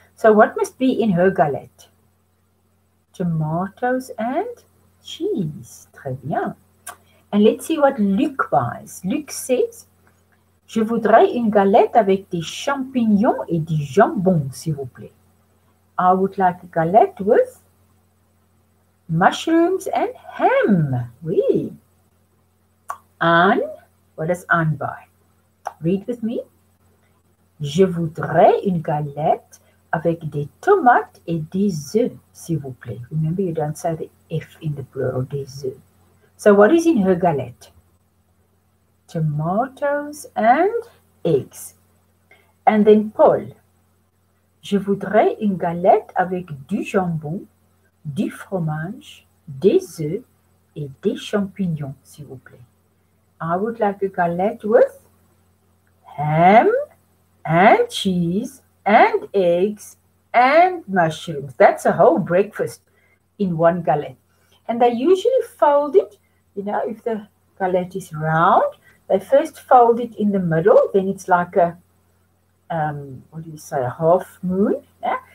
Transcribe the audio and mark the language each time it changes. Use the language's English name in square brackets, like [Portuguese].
[English] So what must be in her galette? Tomatoes and cheese. [French] Très bien. [English] And let's see what Luc buys. Luc says, [French] je voudrais une galette avec des champignons et du jambon, s'il vous plaît. [English] I would like a galette with mushrooms and ham. Oui. Anne, what does Anne buy? Read with me. [French] Je voudrais une galette avec des tomates et des œufs, s'il vous plaît. [English] Remember, you don't say the F in the plural, [French] des œufs. [English] So, what is in her galette? Tomatoes and eggs. And then Paul. [French] Je voudrais une galette avec du jambon, du fromage, des œufs et des champignons, s'il vous plaît. [English] I would like a galette with ham and cheese. And eggs and mushrooms. That's a whole breakfast in one galette. And they usually fold it, you know, if the galette is round, they first fold it in the middle, then it's like a, a half moon, yeah?